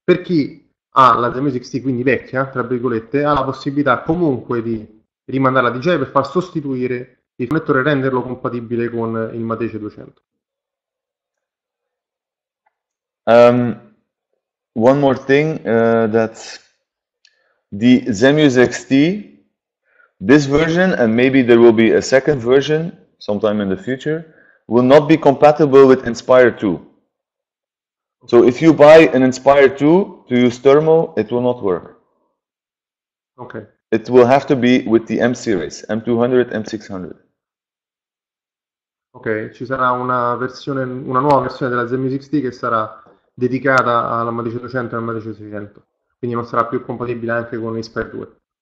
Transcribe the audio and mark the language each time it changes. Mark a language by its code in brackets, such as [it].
[it] Per chi ha la Zenmi 6T, quindi vecchia, tra virgolette, ha la possibilità comunque di rimandarla a DJI per far sostituire il connettore e renderlo compatibile con il matrice 200. [en] One more thing, that the Zenmuse XT, this version, and maybe there will be a second version sometime in the future, will not be compatible with Inspire 2. So if you buy an Inspire 2 to use thermal, it will not work. Okay. It will have to be with the M series, M200, M600. [it] Ok, ci sarà una nuova versione della Zenmi 6T che sarà dedicata alla matrice 200 e alla matrice 600. Quindi non sarà più compatibile anche con l'Inspire 2.